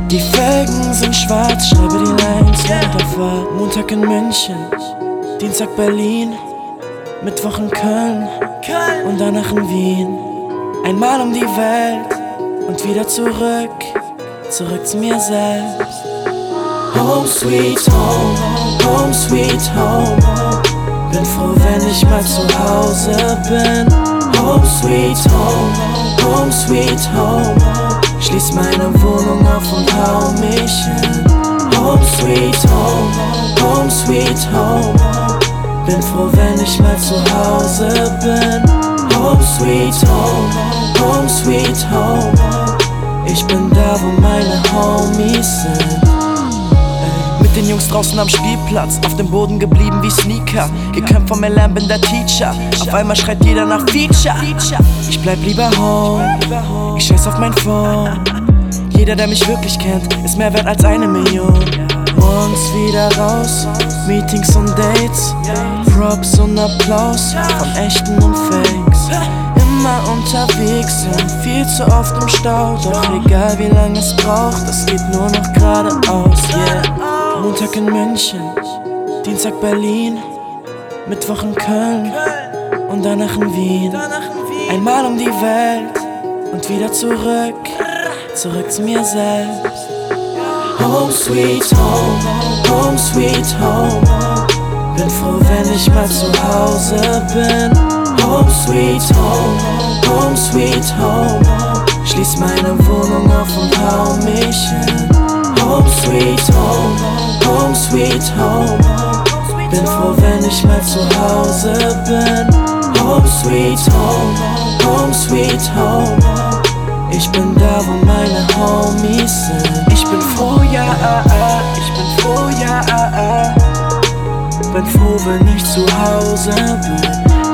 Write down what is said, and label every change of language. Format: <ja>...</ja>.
<de>Die Felgen sind schwarz, schreibe die Lines wunderbar. Montag in München, Dienstag Berlin, Mittwoch in Köln und danach in Wien. Einmal um die Welt und wieder zurück, zurück zu mir selbst.</de> <en>Home sweet home, home sweet home.</en> <de>Bin froh, wenn ich mal zu Hause bin.</de> <en>Home sweet home, home sweet home.</en> <de>Schließ meine Wohnung auf und hau mich hin.</de> <en>Home sweet home, home sweet home.</en> <de>Bin froh, wenn ich mal zu Hause bin.</de> <en>Home sweet home, home sweet home.</en> <de>Ich bin da, wo meine Homies sind. Mit den Jungs draußen am Spielplatz, auf dem Boden geblieben wie Sneaker. Gekämpft vom LM, bin der Teacher. Auf einmal schreit jeder nach Feature. Ich bleib lieber home, ich scheiß auf mein Phone. Jeder, der mich wirklich kennt, ist mehr wert als eine Million. Morgens wieder raus, Meetings und Dates. Props und Applaus von echten und Fakes. Immer unterwegs und viel zu oft im Stau. Doch egal wie lange es braucht, es geht nur noch geradeaus, yeah. Montag in München, Dienstag Berlin, Mittwoch in Köln und danach in Wien. Einmal um die Welt und wieder zurück, zurück zu mir selbst.</de> <en>Home sweet home, home sweet home.</en> <de>Bin froh, wenn ich mal zu Hause bin.</de> <en>Home sweet home, home sweet home.</en> <de>Schließ meine Wohnung auf und hau mich hin.</de> <en>Home sweet home, home sweet home.</en> <de>Bin froh, wenn ich mal zu Hause bin.</de> <en>Home sweet home, home sweet home.</en> <de>Ich bin da, wo meine Homies sind. Ich bin froh, ja, ah, ah. Ich bin froh, ja, ah, ah. Bin froh, wenn ich zu Hause bin.</de>